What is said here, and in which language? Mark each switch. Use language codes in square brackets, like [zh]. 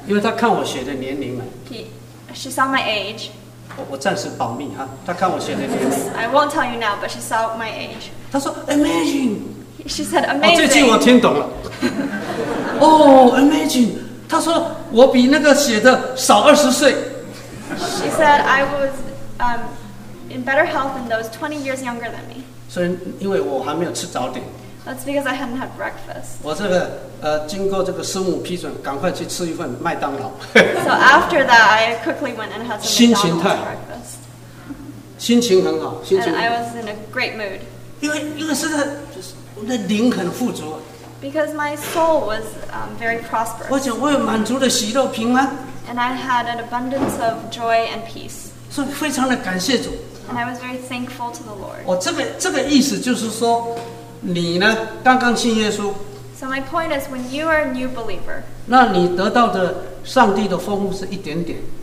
[zh] 因为她看我写的年龄嘛。 [en] She saw my age. [zh] 我暂时保密哈，他看我写的。 [en] I won't tell you now, but she saw my age. [zh] 他说 ，Imagine. [en] She said, Amazing. [zh] 这句我听懂了。哦 ，Imagine. 他说我比那个写的少二十岁。 [en] She said I was in better health than those 20 years younger than me. [zh] 所以因为我还没有吃早点。 [en] That's because I hadn't had breakfast. [zh] 我这个经过这个师母批准，赶快去吃一份麦当劳。 [en] So after that, I quickly went and had some McDonald's breakfast. [zh] 心情很好，心情。 [en] And I was in a great mood. [zh] 因为是在我的灵很富足。 [en] Because my soul was very prosperous. [zh] 而且我有满足的喜乐平安。 [en] And I had an abundance of joy and peace. [zh] 所以非常的感谢主。 [en] And I was very thankful to the Lord. [zh] 我这个意思就是说，你呢刚刚信耶稣。 [en] So my point is, when you are a new believer, [zh] 那你得到的上帝的丰富是一点点。